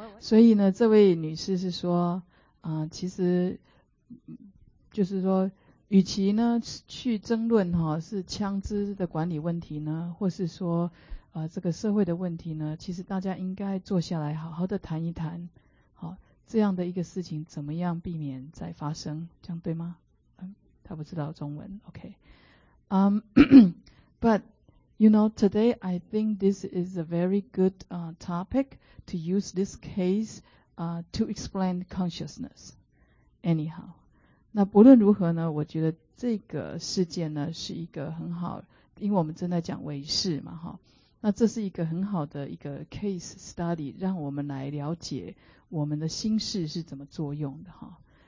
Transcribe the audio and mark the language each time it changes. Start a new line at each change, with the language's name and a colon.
Chinese: 所以呢，这位女士是说，其实就是说，与其呢去争论哈、是枪支的管理问题呢，或是说这个社会的问题呢，其实大家应该坐下来好好的谈一谈，好、这样的一个事情怎么样避免再发生，这样对吗？她不知道中文。
English: Okay. but. You know, today I think this is a very good topic to use this case to explain consciousness. Anyhow,
Chinese: 那不论如何呢，我觉得这个事件呢是一个很好，因为我们正在讲唯识嘛，哈。那这是一个很好的一个 case study， 让我们来了解我们的心识是怎么作用的，哈。